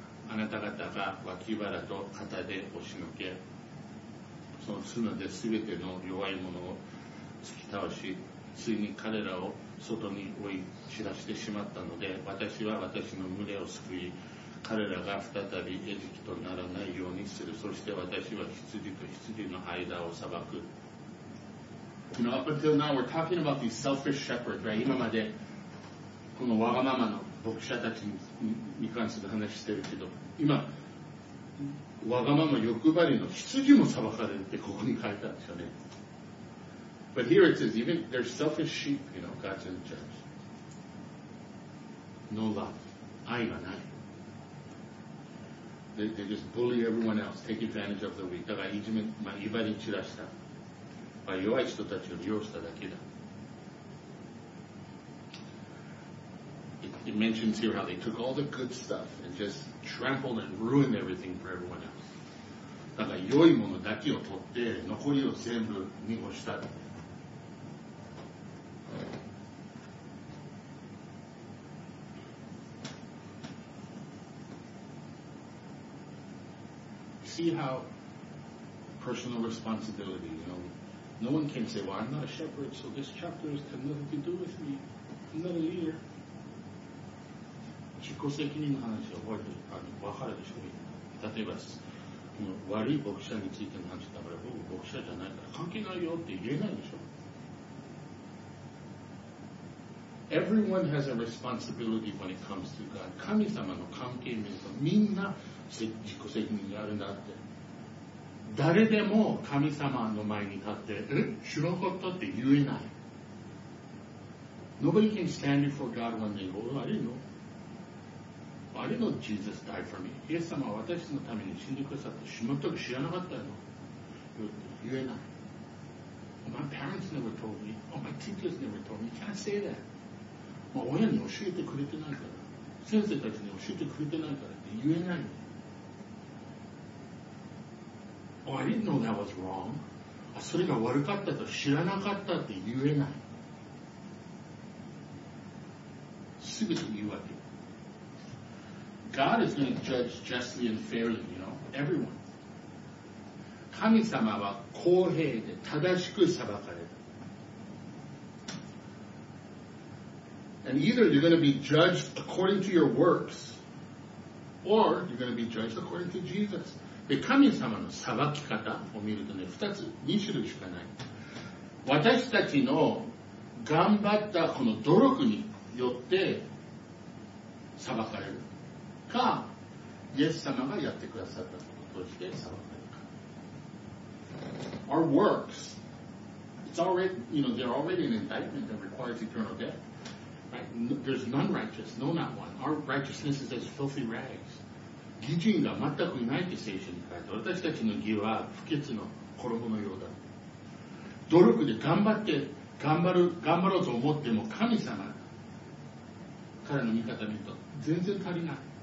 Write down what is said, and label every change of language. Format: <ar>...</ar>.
<ja>あなた方が脇腹と肩で押しのけ、その角で全ての弱い者を突き倒し、ついに彼らを外に追い散らしてしまったので、私は私の群れを救い、彼らが再び餌食とならないようにする。そして私は羊と羊の間を裁く。</ja> <en>You know, up until now we're talking about these selfish shepherds, right?</en> <ja>今までこのわがままの牧者たちに関する話してるけど、今わがまま欲張りの羊も裁かれるってここに書いてあるんですよね。</ja> <en>But here it says even their selfish sheep, you know, God's in charge. No love.</en> <ja>愛がない。</ja> <en>They just bully everyone else, take advantage of the weak.</en> <ja>だからいじめ、まあ、威張り散らした、まあ、弱い人たちを利用しただけだ。</ja> <en>It mentions here how they took all the good stuff and just trampled and ruined everything for everyone else.</en> <ja>だから良いものだけを取って残りを全部濁した。</ja> <en>See how personal responsibility, you know. No one can say, well, I'm not a shepherd, so this chapter has nothing to do with me. Another year.</en> <ja>自己責任の話は終わりで、分かるでしょう。例えば、この悪い牧者についての話だから、僕牧者じゃないから関係ないよって言えないでしょ。</ja> <en>Everyone has a responsibility when it comes to God.</en> <ja>神様の関係を見ると、みんな自己責任があるんだって。誰でも神様の前に立って、え、知らなかったって言えない。</ja> <en>Nobody can stand before God one day, oh, I didn't know Jesus died for me.</en> <ja>イエス様は私のために死んでくださって、しまったく知らなかったの、言えない。</ja> <en>Oh, my parents never told me. Oh, my teachers never told me. You can't say that.</en> <ja>まあ、親に教えてくれてないから、先生たちに教えてくれてないからって言えない。</ja> <en>Oh, I didn't know that was wrong.</en> <ja>それが悪かったと知らなかったって言えない。すぐに言うわけ。</ja> <en>God is going to judge justly and fairly, you know, everyone.</en> <ja>神様は公平で正しく裁かれる。</ja> <en>And either you're going to be judged according to your works, or you're going to be judged according to Jesus.</en> <ja>で、神様の裁き方を見るとね、二種類しかない。私たちの頑張ったこの努力によって裁かれるか、イエス様がやってくださったこととして裁かれるか。</ja> <en>Our works, it's already, you know, they're already an indictment that requires eternal death. Right? There's none righteous, no, not one. Our righteousness is as filthy rags.</en> <ja>義人が全くいないって聖書に書いて、私たちの義は不潔の衣のようだ。努力で頑張って、頑張ろうと思っても神様からの見方見ると全然足りない。</ja>